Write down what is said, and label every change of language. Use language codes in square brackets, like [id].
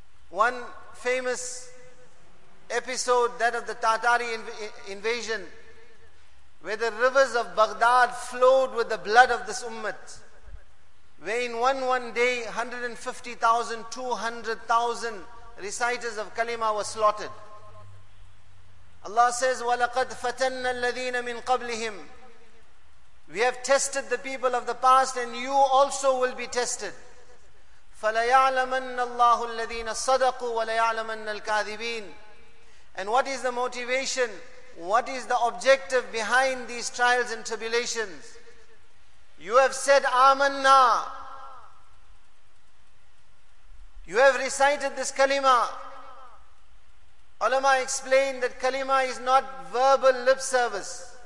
[en] One famous episode, that of the Tatari invasion, where the rivers of Baghdad flowed with the blood of this ummah, where in one day 150,000, 200,000 reciters of Kalima were slaughtered. Allah says, [ar] وَلَقَدْ فَتَنَّ الَّذِينَ مِنْ قَبْلِهِمْ [en] We have tested the people of the past and you also will be tested. [ar] فَلَيَعْلَمَنَّ اللَّهُ الَّذِينَ صَدَقُوا وَلَيَعْلَمَنَّ الْكَاذِبِينَ [en] And what is the motivation? What is the objective behind these trials and tribulations? You have said Amanna. You have recited this kalima. Ulama explained that kalima is not verbal lip service.